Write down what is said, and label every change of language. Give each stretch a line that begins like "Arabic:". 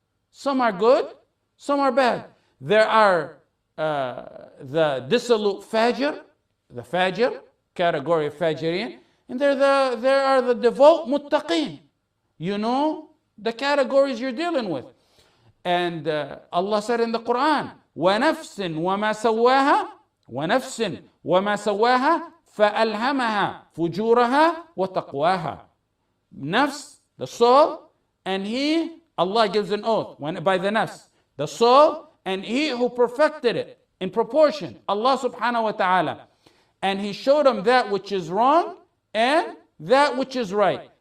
English: Some are good, some are bad. There are the dissolute fajr, the fajr, category of fajirin, and there are the devout muttaqin. You know the categories you're dealing with. And Allah said in the Quran,
Arabic: وَنَفْسٍ وَمَا سَوَّاهَا وَنَفْسٍ وَمَا سَوَّاهَا فَأَلْهَمَهَا فُجُورَهَا وَتَقْوَاهَا.
English: Nafs, the soul, and he, Allah gives an oath when, by the nafs, the soul, and he who perfected it in proportion, Allah subhanahu wa ta'ala. And he showed him that which is wrong and that which is right.